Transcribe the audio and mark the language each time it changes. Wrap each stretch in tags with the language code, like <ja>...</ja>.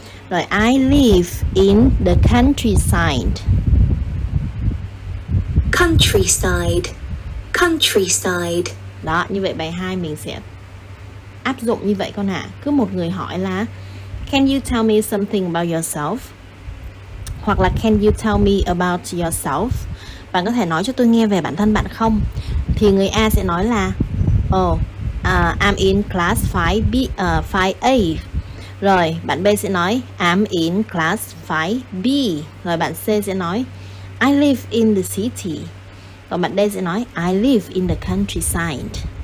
<en>Rồi, I live in the countryside. Countryside. Countryside.</en> <vi>Đó, như vậy bài 2 mình sẽ áp dụng như vậy con ạ. Cứ một người hỏi là</vi> <en>can you tell me something about yourself?</en> <vi>Hoặc là</vi> <en>can you tell me about yourself?</en> <vi>Bạn có thể nói cho tôi nghe về bản thân bạn không? Thì người A sẽ nói là</vi> <en>oh, I'm in class 5B, 5A.</en> <vi>Rồi, bạn B sẽ nói</vi> <en>I'm in class 5B.</en> <vi>Rồi bạn C sẽ nói</vi> <en>I live in the city.</en> <vi>Còn bạn D sẽ nói</vi> <en>I live in the countryside.</en>